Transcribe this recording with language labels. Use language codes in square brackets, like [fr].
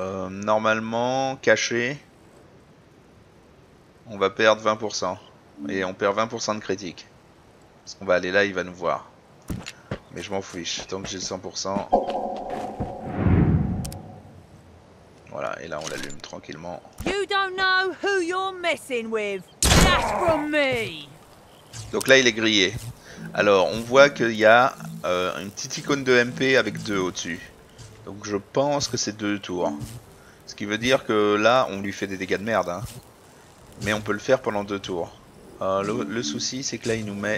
[fr] Normalement, caché, on va perdre 20%. Et on perd 20% de critique. Parce qu'on va aller là, il va nous voir. Mais je m'en fiche, tant que j'ai 100%. Voilà, et là on l'allume tranquillement. [en] You don't know who you're messing with. That's from me. [fr] Donc là il est grillé. Alors on voit qu'il y a une petite icône de MP avec 2 au-dessus. Donc je pense que c'est 2 tours. Ce qui veut dire que là on lui fait des dégâts de merde. Hein. Mais on peut le faire pendant 2 tours. Le souci c'est que là il nous met...